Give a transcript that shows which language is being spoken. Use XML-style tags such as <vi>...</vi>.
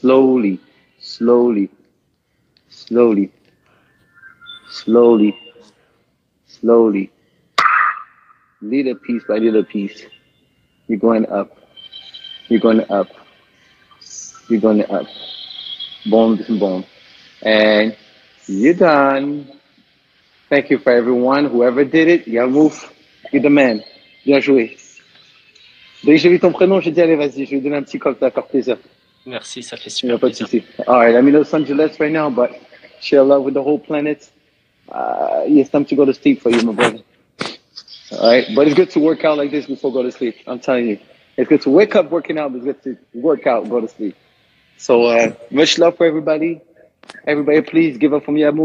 <en>Slowly, slowly, slowly, slowly, slowly. Little piece by little piece, you're going up, you're going up, you're going up, boom, boom, and you're done. Thank you for everyone, whoever did it, y'all move, you're the man,</en> <fr>bien joué. Dès que j'ai vu ton prénom, j'ai dit allez vas-y, je vais donner un petit coup, ça va faire plaisir. Merci, ça fait super plaisir. Pas de soucis.</fr> <en>All right, I'm in Los Angeles right now, but share love with the whole planet. It's time to go to sleep for you, my brother. All right, but it's good to work out like this before go to sleep. I'm telling you, it's good to wake up working out, but it's good to work out, go to sleep. So much love for everybody. Everybody, please give up for me.</en>